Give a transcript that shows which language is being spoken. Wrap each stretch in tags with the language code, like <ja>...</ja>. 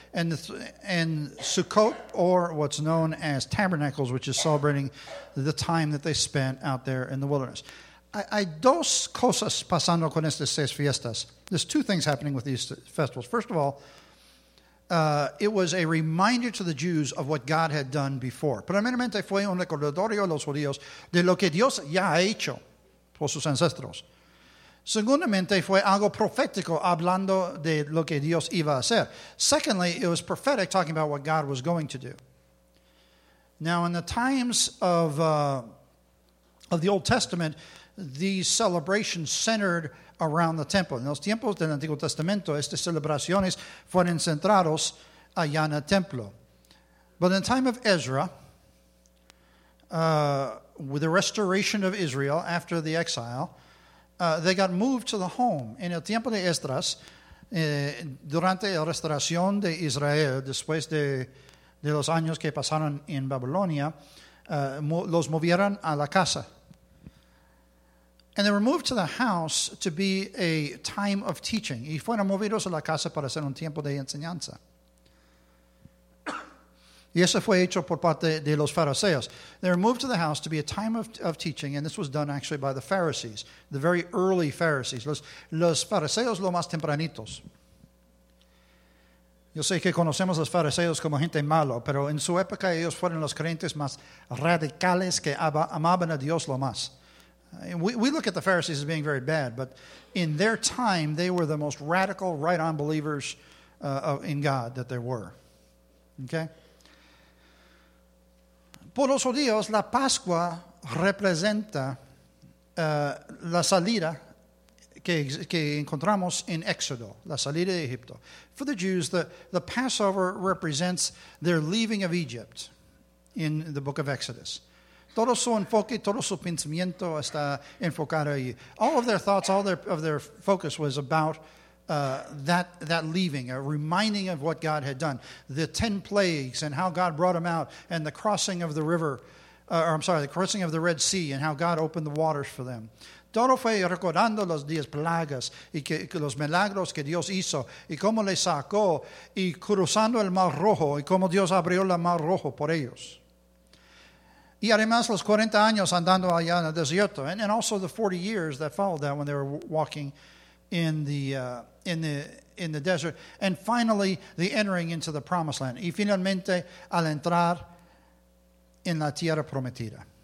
<en>And Sukkot, or what's known as Tabernacles, which is celebrating the time that they spent out there in the wilderness.</en> <es>Hay dos cosas pasando con estas seis fiestas.</es> <en>There's two things happening with these festivals. First of all, it was a reminder to the Jews of what God had done before.</en> <es>Primeramente fue un recordatorio a los judíos de lo que Dios ya ha hecho por sus ancestros. Segundamente fue algo profético hablando de lo que Dios iba a hacer.</es> <en>Secondly, it was prophetic talking about what God was going to do. Now, in the times of the Old Testament, these celebrations centered around the temple.</en> <es>En los tiempos del Antiguo Testamento, estas celebraciones fueron centrados allá en el templo.</es> <en>But in the time of Ezra, with the restoration of Israel after the exile, they got moved to the home.</en> <es>En el tiempo de Esdras, durante la restauración de Israel, después de los años que pasaron en Babilonia, los movieron a la casa.</es> <en>And they were moved to the house to be a time of teaching.</en> <es>Y fueron movidos a la casa para hacer un tiempo de enseñanza. Y eso fue hecho por parte de los fariseos.</es> <en>They were moved to the house to be a time of teaching, and this was done actually by the Pharisees, the very early Pharisees.</en> <es>Los fariseos lo más tempranitos. Yo sé que conocemos a los fariseos como gente malo, pero en su época ellos fueron los creyentes más radicales que amaban a Dios lo más.</es> <en>We look at the Pharisees as being very bad, but in their time, they were the most radical, right-on believers in God that there were. Okay?</en> <es>Por los judíos, la Pascua representa la salida que encontramos en Éxodo, la salida de Egipto.</es> <en>For the Jews, the Passover represents their leaving of Egypt in the book of Exodus.</en> <es>Todo su enfoque, todo su pensamiento está enfocado ahí.</es> <en>All of their thoughts, all of their focus was about that leaving, a reminding of what God had done. The 10 plagues and how God brought them out and the crossing of the river, the crossing of the Red Sea and how God opened the waters for them.</en> <es>Todo fue recordando los 10 plagas y que los milagros que Dios hizo y cómo les sacó y cruzando el Mar Rojo y cómo Dios abrió el Mar Rojo por ellos. Y además los 40 años andando allá en el desierto.</es> <en>And also the 40 years that followed that when they were walking in the desert. And finally, the entering into the promised land.</en> <es>Y finalmente, al entrar en la tierra prometida.</es>